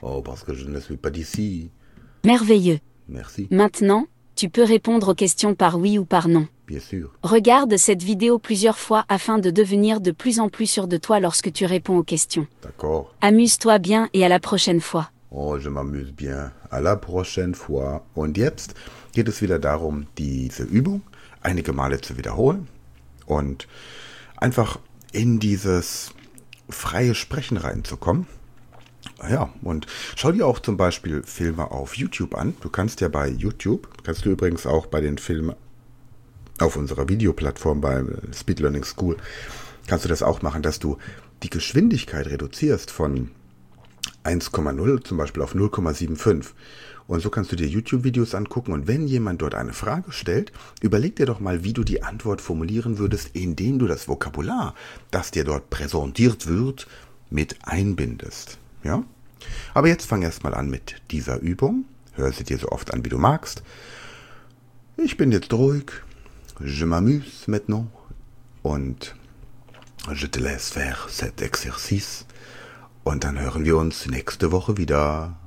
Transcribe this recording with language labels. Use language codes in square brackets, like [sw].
[fr] Oh, parce que je ne suis pas d'ici. Merveilleux. Merci. Maintenant, tu peux répondre aux questions par oui ou par non. Bien sûr. Regarde cette vidéo plusieurs fois afin de devenir de plus en plus sûr de toi lorsque tu réponds aux questions. D'accord. Amuse-toi bien et à la prochaine fois. Oh, je m'amuse bien. À la prochaine fois. [de] Und jetzt geht es wieder darum, diese Übung einige Male zu wiederholen und einfach in dieses freie Sprechen reinzukommen. Ja, und schau dir auch zum Beispiel Filme auf YouTube an. Du kannst ja bei YouTube, kannst du übrigens auch bei den Filmen auf unserer Videoplattform bei Speed Learning School, kannst du das auch machen, dass du die Geschwindigkeit reduzierst von 1,0 zum Beispiel auf 0,75. Und so kannst du dir YouTube-Videos angucken und wenn jemand dort eine Frage stellt, überleg dir doch mal, wie du die Antwort formulieren würdest, indem du das Vokabular, das dir dort präsentiert wird, mit einbindest. Ja? Aber jetzt fang erst mal an mit dieser Übung. Hör sie dir so oft an, wie du magst. Ich bin jetzt ruhig. [fr] Je m'amuse maintenant. [de] Und [fr] je te laisse faire cet exercice. [de] Und dann hören wir uns nächste Woche wieder.